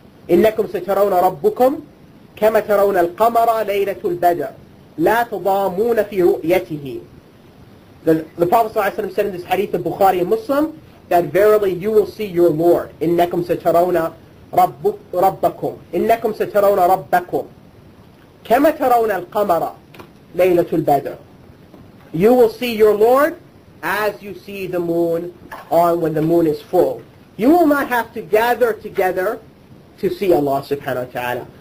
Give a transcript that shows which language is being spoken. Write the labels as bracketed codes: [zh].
[ar] إنكم سترون ربكم كما ترون القمر ليلة البدر لا تضامون في رؤيته." [en] The Prophet ﷺ said in this hadith of Bukhari and Muslim that verily you will see your Lord. [ar] إنكم سترون ربكم. إنكم سترون ربكم كما ترون القمر ليلة البدر. [en] You will see your Lord as you see the moon on when the moon is full. You will not have to gather together to see Allah subhanahu wa ta'ala.